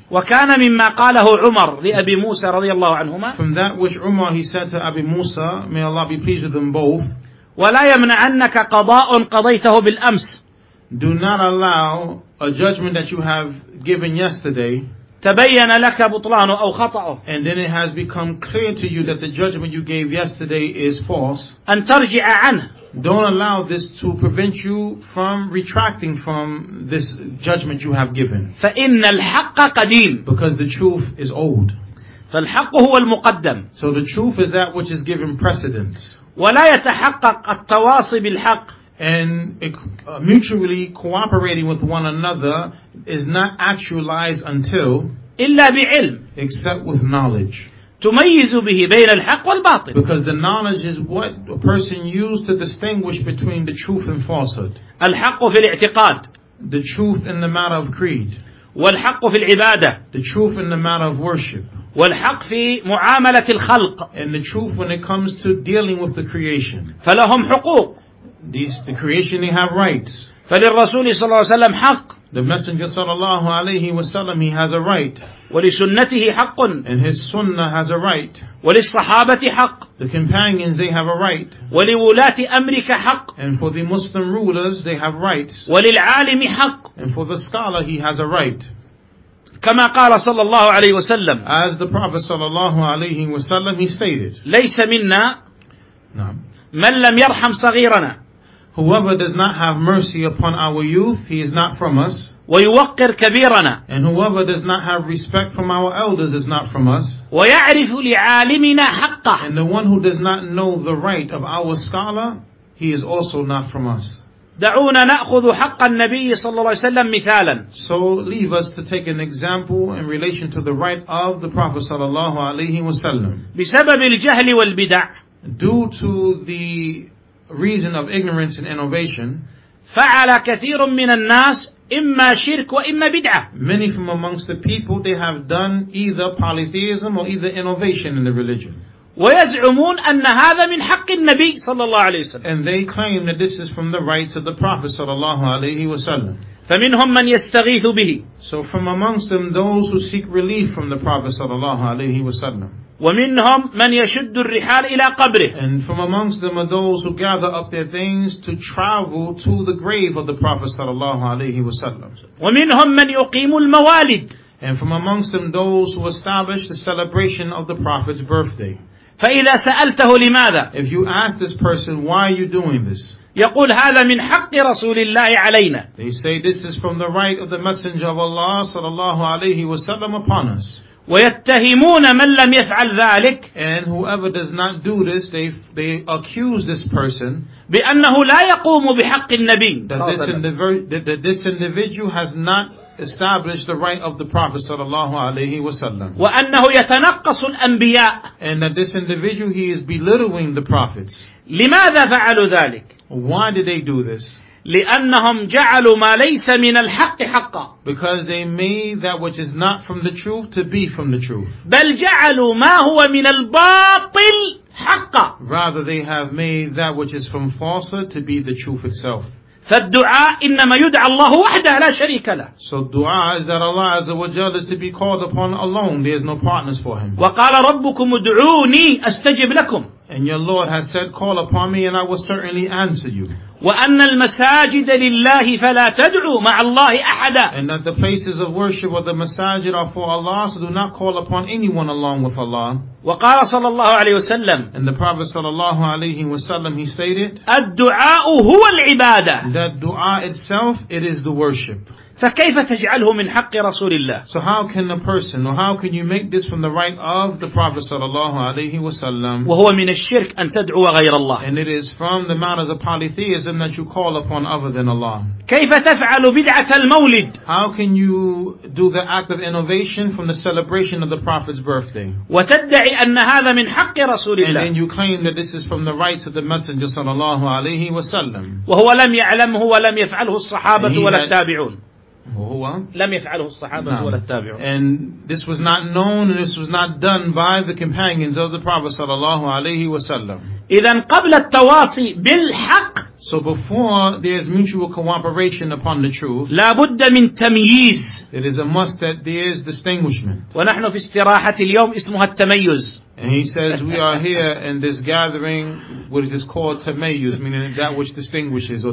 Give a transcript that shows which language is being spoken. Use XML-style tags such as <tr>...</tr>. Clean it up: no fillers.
<ar>وكان مما قاله عمر لأبي موسى رضي الله عنهما.</ar> <en>From that which Umar he said to Abi Musa, may Allah be pleased with them both.</en> <ar>ولا يمنعنك قضاء قضيته بالأمس.</ar> <en>Do not allow a judgment that you have given yesterday.</en> <ar>تبين لك بطلانه أو خطأه.</ar> <en>And then it has become clear to you that the judgment you gave yesterday is false.</en> <ar>أن ترجع عنه.</ar> <en>Don't allow this to prevent you from retracting from this judgment you have given.</en> <ar>فإن الحق قديم.</ar> <en>Because the truth is old.</en> <ar>فالحق هو المقدم.</ar> <en>So the truth is that which is given precedence.</en> <ar>ولا يتحقق التواصي بالحق.</ar> <en>And mutually cooperating with one another is not actualized until</en> <ar>إلا بعلم</ar> <en>except with knowledge.</en> <ar>تميز به بين الحق والباطل.</ar> <en>Because the knowledge is what a person uses to distinguish between the truth and falsehood.</en> <ar>الحق في الاعتقاد.</ar> <en>The truth in the matter of creed.</en> <ar>والحق في العبادة.</ar> <en>The truth in the matter of worship.</en> <ar>والحق في معاملة الخلق.</ar> <en>And the truth when it comes to dealing with the creation.</en> <ar>فلهم حقوق.</ar> <en>The creation they have rights.</en> <ar>فللرسول صلى الله عليه وسلم حق.</ar> <en>The messenger</en> <ar>صلى الله عليه وسلم</ar> <en>he has a right.</en> <ar>ولسنته حق.</ar> <en>And his sunnah has a right.</en> <ar>وللصحابة حق.</ar> <en>The companions they have a right.</en> <ar>ولولاة أمرك حق.</ar> <en>And for the Muslim rulers they have rights.</en> <ar>وللعالم حق.</ar> <en>And for the scholar he has a right.</en> <ar>كما قال صلى الله عليه وسلم.</ar> <en>As the Prophet</en> <ar>صلى الله عليه وسلم</ar> <en>he stated.</en> <ar>ليس منا. نعم. من لم يرحم صغيرنا.</ar> <en>Whoever does not have mercy upon our youth, he is not from us.</en> <ar>ويوقر كبيرنا.</ar> <en>And whoever does not have respect from our elders is not from us.</en> <ar>ويعرف لعالمنا حقه.</ar> <en>And the one who does not know the right of our scholar, he is also not from us.</en> <ar>دعونا نأخذ حق النبي صلى الله عليه وسلم مثالا.</ar> <en>So leave us to take an example in relation to the right of the Prophet</en> <ar>صلى الله عليه وسلم. بسبب الجهل والبدع.</ar> <en>Due to the reason of ignorance and innovation.</en> <ar>فعل كثير من الناس إما شرك وإما بدعة.</ar> <en>Many from amongst the people, they have done either polytheism or either innovation in the religion.</en> <ar>ويزعمون أن هذا من حق النبي صلى الله عليه وسلم.</ar> <en>And they claim that this is from the rights of the Prophet</en> <ar>صلى الله عليه وسلم. فمنهم من يستغيث به.</ar> <en>So from amongst them, those who seek relief from the Prophet</en> <ar>صلى الله عليه وسلم. ومنهم من يشد الرحال إلى قبره.</ar> <en>And from amongst them are those who gather up their things to travel to the grave of the Prophet</en> <ar>صلى الله عليه وسلم. ومنهم من يقيم الموالد.</ar> <en>And from amongst them those who establish the celebration of the Prophet's birthday.</en> <ar>فإذا سألته لماذا؟</ar> <en>If you ask this person, why are you doing this?</en> <ar>يقول هذا من حق رسول الله علينا.</ar> <en>They say this is from the right of the Messenger of Allah</en> <ar>صلى الله عليه وسلم</ar> <en>upon us.</en> <ar>ويتهمون من لم يفعل ذلك.</ar> <en>And whoever does not do this, they accuse this person.</en> <ar>بأنه لا يقوم بحق النبي.</ar> <en>That this individual has not established the right of the Prophet</en> <ar>صلى الله عليه وسلم. وأنه يتنقص الأنبياء.</ar> <en>And that this individual, he is belittling the prophets.</en> <ar>لماذا فعلوا ذلك؟</ar> <en>Why did they do this?</en> <ar>لأنهم جعلوا ما ليس من الحق حقا.</ar> <en>Because they made that which is not from the truth to be from the truth.</en> <ar>بل جعلوا ما هو من الباطل حقا.</ar> <en>Rather they have made that which is from falsehood to be the truth itself.</en> <ar>فالدعاء إنما يدعى الله وحده لا شريك له.</ar> <en>So الدعاء is that Allah</en> <ar>عز وجل</ar> <en>is to be called upon alone. There is no partners for him.</en> <ar>وقال ربكم ادعوني أستجب لكم.</ar> <en>And your Lord has said, call upon me and I will certainly answer you.</en> <ar>وأن المساجد لله فلا تدعوا مع الله أحدا.</ar> <en>And that the places of worship or the masajid are for Allah, so do not call upon anyone along with Allah.</en> <ar>وقال صلى الله عليه وسلم.</ar> <en>And the Prophet</en> <ar>صلى الله عليه وسلم,</ar> <en>he stated.</en> <ar>الدعاء هو العبادة.</ar> <en>That dua itself, it is the worship.</en> <ar>فكيف تجعله من حق رسول الله؟</ar> <en>So how can a person, or how can you make this from the right of the Prophet</en> <ar>صلى الله عليه وسلم؟ وهو من الشرك أن تدعو غير الله.</ar> <en>And it is from the matters of polytheism that you call upon other than Allah.</en> <ar>كيف تفعل بدعة المولد؟</ar> <en>How can you do the act of innovation from the celebration of the Prophet's birthday؟</en> <ar>وتدعي أن هذا من حق رسول الله.</ar> <en>And then you claim that this is from the rights of the Messenger</en> <ar>صلى الله عليه وسلم. وهو لم يعلمه ولم يفعله الصحابة ولا التابعون. وهو لم يفعله الصحابة ولا التابعون.</ar> <en>And this was not known and this was not done by the companions of the Prophet</en> <ar>صلى الله عليه وسلم. إذن قبل التواصي بالحق.</ar> <en>So before there is mutual cooperation upon the truth.</en> <ar>لابد من تمييز.</ar> <en>It is a must that there is distinguishment.</en> <ar>ونحن في استراحة اليوم اسمها التميز.</ar> <en>And he says we are here in this gathering which is called تميز, meaning that which distinguishes or</en>